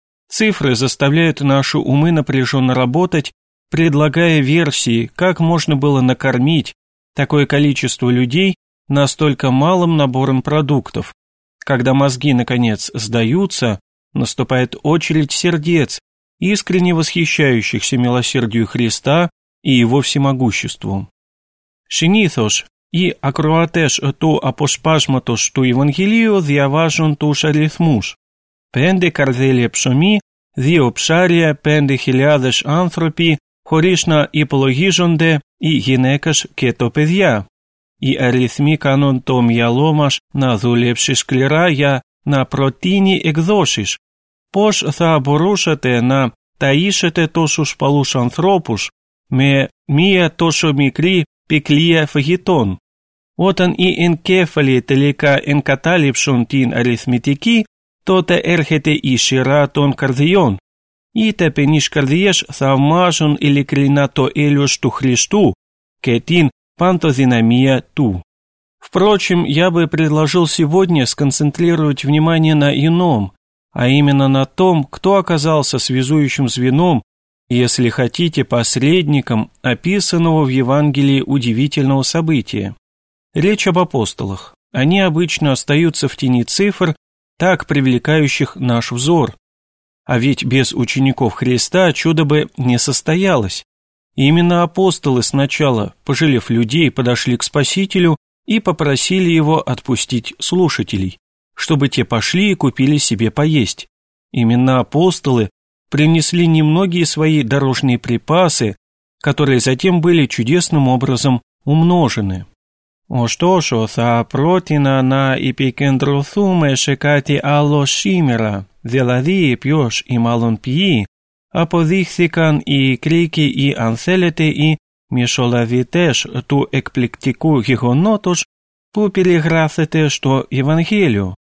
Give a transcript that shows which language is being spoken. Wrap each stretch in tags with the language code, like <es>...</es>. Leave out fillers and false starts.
<ru>Цифры заставляют наши умы напряженно работать, предлагая версии, как можно было накормить такое количество людей настолько малым набором продуктов. Когда мозги, наконец, сдаются, наступает очередь сердец, искренне восхищающихся милосердию Христа и его всемогуществу.</ru> <el>Συνήθως, οι ακροατές του αποσπάσματος του Ευαγγελίου διαβάζουν τους αριθμούς. 5 καρδέλια ψωμί, 2 ψάρια, 5.000 άνθρωποι, χωρίς να υπολογίζονται οι γυναίκες και το παιδιά. Οι αριθμοί κάνουν το μυαλό μας να δουλέψει σκληρά για να προτείνει εκδόσεις. Πώς θα μπορούσατε να ταΐσετε τόσους παλούς ανθρώπους με μία τόσο μικρή ποικιλία φαγητών? Όταν οι εγκέφαλοι τελικά εγκατάλειψουν την αριθμητική, τότε έρχεται η σειρά των καρδιών. Οι ταπεινείς καρδιές θαυμάζουν ειλικρινά το έλεος του Χριστού και την παντοδυναμία του.</el> <ru>Впрочем, я бы предложил сегодня сконцентрировать внимание на ином, а именно на том, кто оказался связующим звеном, если хотите, посредником описанного в Евангелии удивительного события. Речь об апостолах. Они обычно остаются в тени цифр, так привлекающих наш взор. А ведь без учеников Христа чудо бы не состоялось. Именно апостолы сначала, пожалев людей, подошли к Спасителю и попросили его отпустить слушателей, чтобы те пошли и купили себе поесть. Именно апостолы принесли немногие свои дорожные припасы, которые затем были чудесным образом умножены.</ru> <el>Ωστόσο, θα πρότεινα να επικεντρωθούμε σε κάτι άλλο σήμερα, δηλαδή ποιος ή μάλλον ποιοι αποδείχθηκαν οι κρίκοι ή αν θέλετε οι μεσολαβητές του εκπληκτικού γεγονότος που περιγράφεται στο Ευαγγέλιο.</el>